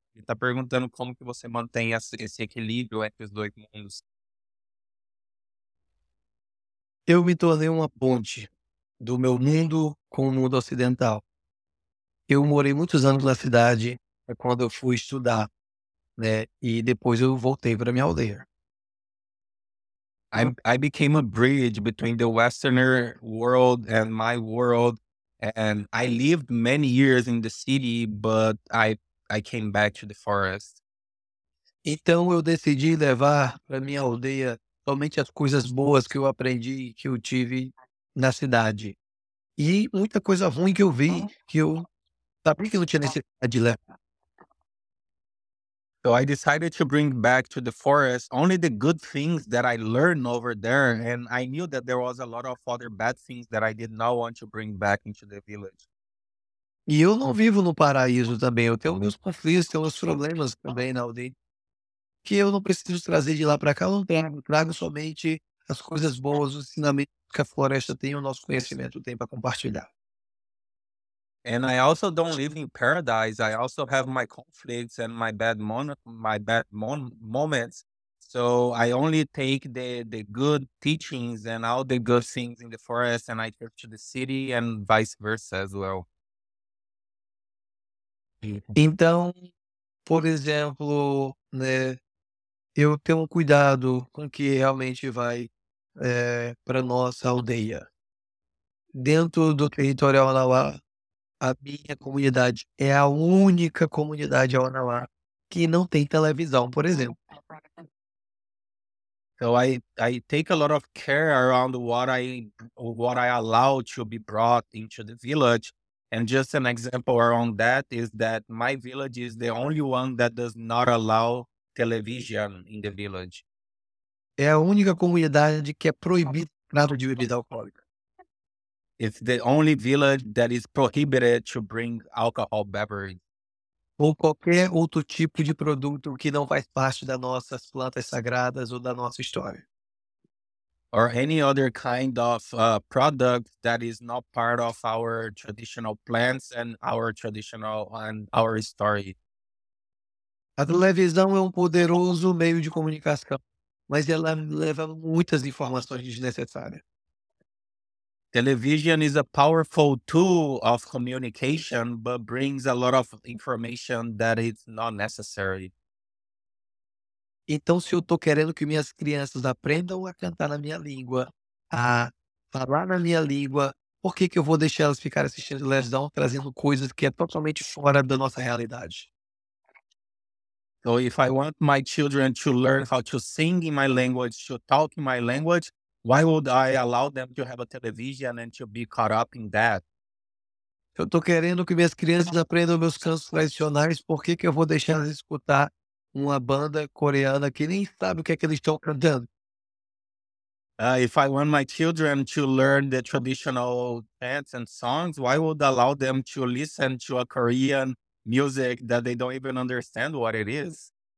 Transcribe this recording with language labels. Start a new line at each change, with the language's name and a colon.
Portuguese: Ele está perguntando como que você mantém esse equilíbrio entre os dois mundos. Eu me tornei uma ponte do meu mundo com o mundo ocidental. Eu morei muitos anos na cidade quando eu fui estudar, né? E depois eu voltei para minha aldeia.
English: I became a bridge between the Westerner world and my world, and I lived many years in the city, but I came back to the forest.
Portuguese: Então eu decidi levar para minha aldeia somente as coisas boas que eu aprendi, que eu tive na cidade. E muita coisa ruim que eu vi, que eu sabia que não tinha necessidade de levar.
English: So I decided to bring back to the forest only the good things that I learned over there. And I knew that there was a lot of other bad things that I did not want to bring back into the village.
Portuguese: E eu não vivo no paraíso também. Eu tenho meus conflitos, tenho meus problemas também na aldeia, que eu não preciso trazer de lá para cá. Eu não trago. Trago somente as coisas boas, os ensinamentos que a floresta tem, o nosso conhecimento tem para compartilhar.
English: And I also don't live in paradise. I also have my conflicts and my bad moments. So I only take the good teachings and all the good things in the forest, and I take to the city and vice versa as well.
Portuguese: Então, por exemplo, né, eu tenho cuidado com o que realmente vai para nossa aldeia. Dentro do território Yawanawa, a minha comunidade é a única comunidade Yawanawa que não tem televisão, por exemplo.
English: So I take a lot of care around what I allow to be brought into the village. And just an example around that is that my village is the only one that does not allow television in the village.
Portuguese: é a única comunidade que é proibido nada de bebida alcoólica.
English: It's the only village that is prohibited to bring alcohol beverage.
Portuguese: Ou qualquer outro tipo de produto que não faz parte das nossas plantas sagradas ou da nossa história.
English: Or any other kind of product that is not part of our traditional plants and our traditional and our story.
Portuguese: A televisão é um poderoso meio de comunicação, mas ela leva muitas informações desnecessárias.
English: Television is a powerful tool of communication, but brings a lot of information that is not necessary.
Portuguese: Então, se eu estou querendo que minhas crianças aprendam a cantar na minha língua, a falar na minha língua, por que, que eu vou deixar elas ficar assistindo televisão, trazendo coisas que é totalmente fora da nossa realidade?
English: So if I want my children to learn how to sing in my language, to talk in my language, why would I allow them to have a television and to be caught up in that?
Portuguese: Se eu estou querendo que minhas crianças aprendam meus cantos tradicionais, por que, que eu vou deixar elas escutar uma banda coreana que nem sabe o que é que eles estão cantando?
English: If I want my children to learn the traditional chants and songs, why would I allow them to listen to a Korean music that they don't even understand what it is?